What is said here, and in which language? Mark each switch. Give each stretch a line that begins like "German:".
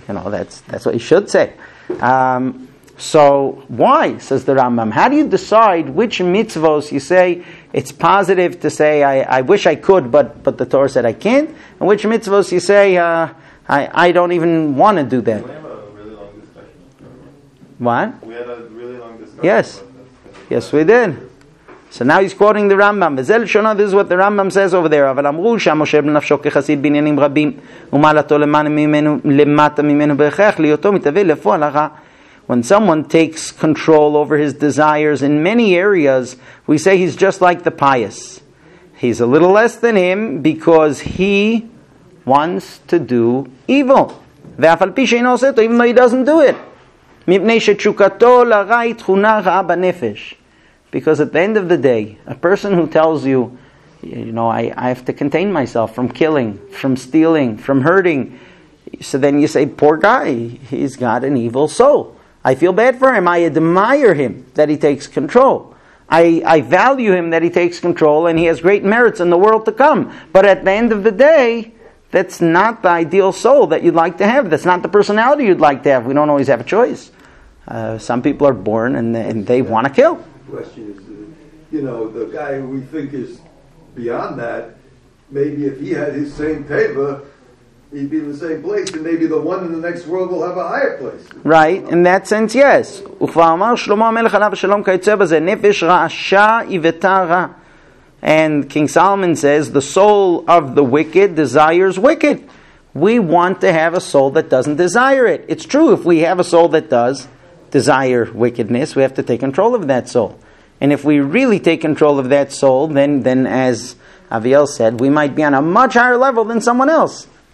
English: You know, that's what you should say. So why, says the Rambam, how do you decide which mitzvos you say it's positive to say, I wish I could, but the Torah said I can't? And which mitzvos you say, I don't even want to do that? We have a really long discussion. What? We had a really long discussion. Yes. Yes, we did. So now he's quoting the Rambam. This is what the Rambam says over there.
Hebrew: אבל אמרו שהמשה בנפשו כחסיד בעניינים רבים ומעלתו למטה ממנו ברכך להיותו מתהווה לפועל הרע.
English: When someone takes control over his desires in many areas, we say he's just like the pious. He's a little less than him because he wants to do evil.
Hebrew: ואף על פי שאינו עושה אותו,
English: even though he doesn't do it.
Hebrew: מפני שתשוקתו לרע היא תכונה רעה בנפש.
English: Because at the end of the day, a person who tells you, you know, I have to contain myself from killing, from stealing, from hurting. So then you say, poor guy, he's got an evil soul. I feel bad for him. I admire him that he takes control. I value him that he takes control and he has great merits in the world to come. But at the end of the day, that's not the ideal soul that you'd like to have. That's not the personality you'd like to have. We don't always have a choice. Some people are born and they want to kill. Question is, you know, the guy who we think is beyond that, maybe if he had his same teva, he'd be in the same place, and maybe the one in the next world will have a higher place. Right, in that sense, yes.
Hebrew: וכבר אמר שלמה המלך עליו השלום כיצא בזה, נפש רעשה יוותה רע.
English: And King Solomon says, the soul of the wicked desires wicked. We want to have a soul that doesn't desire it. It's true, if we have a soul that does desire wickedness, we have to take control of that soul. And if we really take control of that soul, then as Aviel said, we might be on a much higher level than someone else.